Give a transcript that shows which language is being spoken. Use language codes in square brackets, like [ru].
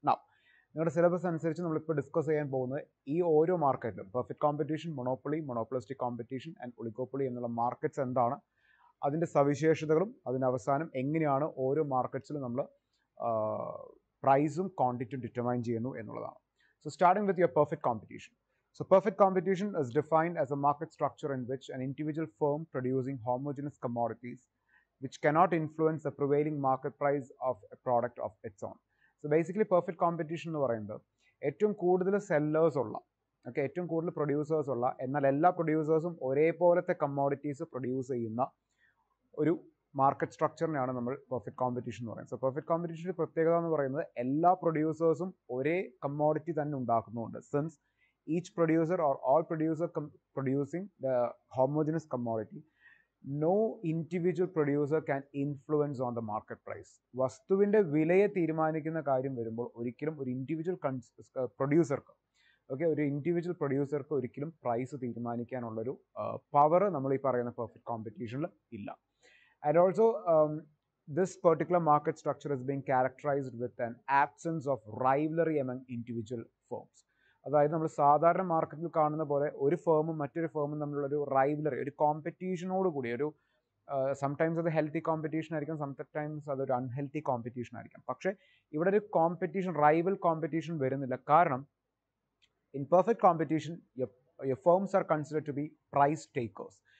[ml] Now നിങ്ങളുടെ syllabus അനുസരിച്ച് നമ്മളിപ്പോൾ ഡിസ്കസ് ചെയ്യാൻ പോകുന്നത് ഈ ഓരോ മാർക്കറ്റിലും perfect competition, monopoly, monopolistic competition and ഒളികോപ്പൊളി എന്നുള്ള മാർക്കറ്റ്സ് എന്താണ്, അതിൻ്റെ സവിശേഷതകളും അതിൻ്റെ അവസാനം എങ്ങനെയാണ് ഓരോ മാർക്കറ്റ്സിലും നമ്മൾ പ്രൈസും ക്വാണ്ടിറ്റിയും ഡിറ്റർമൈൻ ചെയ്യുന്നു എന്നുള്ളതാണ്. [en] So starting with your perfect competition. So perfect competition is defined as a market structure in which an individual firm producing homogeneous commodities which cannot influence the prevailing market price of a product of its own. [ml] So basically perfect competition nu parayumbo ettum koodula sellers ulla, okay, ettum koodula producers ulla, ennal ella producersum ore polatha commodities produce cheyuna oru market സ്ട്രക്ചറിനെയാണ് നമ്മൾ perfect competition എന്ന് പറയുന്നത്. So perfect കോമ്പറ്റീഷൻ്റെ പ്രത്യേകത എന്ന് പറയുന്നത് എല്ലാ പ്രൊഡ്യൂസേഴ്സും ഒരേ commodity തന്നെ ഉണ്ടാക്കുന്നുണ്ട്. [en] Since each producer or all producer producing the homogenous commodity, no individual producer can influence on the market price. [ml] വസ്തുവിൻ്റെ വിലയെ തീരുമാനിക്കുന്ന കാര്യം വരുമ്പോൾ ഒരിക്കലും ഒരു ഇൻഡിവിജ്വൽ പ്രൊഡ്യൂസർക്ക്, ഓക്കെ, ഒരു ഇൻഡിവിജ്വൽ പ്രൊഡ്യൂസർക്ക് ഒരിക്കലും പ്രൈസ് തീരുമാനിക്കാനുള്ളൊരു പവർ നമ്മൾ ഈ പറയുന്ന പെർഫെക്റ്റ് കോമ്പറ്റീഷനിൽ ഇല്ല. [en] And also, this particular market structure is being characterized with an absence of rivalry among individual firms. [ml] അതായത് നമ്മൾ സാധാരണ മാർക്കറ്റിൽ കാണുന്ന പോലെ ഒരു ഫേമും മറ്റൊരു ഫേമും തമ്മിലുള്ള ഒരു റൈവലറി, ഒരു കോമ്പറ്റീഷനോട് കൂടി, ഒരു സംടൈംസ് അത് ഹെൽത്തി കോമ്പറ്റീഷൻ ആയിരിക്കും, സംടൈംസ് അതൊരു അൺഹെൽത്തി കോമ്പറ്റീഷൻ ആയിരിക്കും. പക്ഷേ ഇവിടെ ഒരു കോമ്പറ്റീഷൻ, റൈവൽ കോമ്പറ്റീഷൻ വരുന്നില്ല. [en] കാരണം in perfect competition your firms are considered to be price takers.